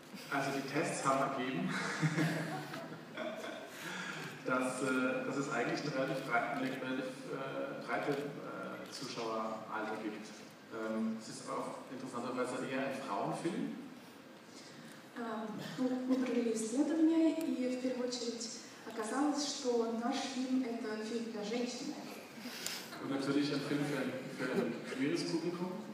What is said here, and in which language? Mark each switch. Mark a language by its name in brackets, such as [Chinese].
[German] Also die Tests haben ergeben, dass es eigentlich ein relativ breites Zuschaueralter gibt. Es ist auch interessanterweise eher ein Frauenfilm. [Russian] Мы провели исследование, и в первую очередь оказалось, что наш фильм – это фильм для женщины. [German] Und natürlich ein Film für ein queeres Publikum.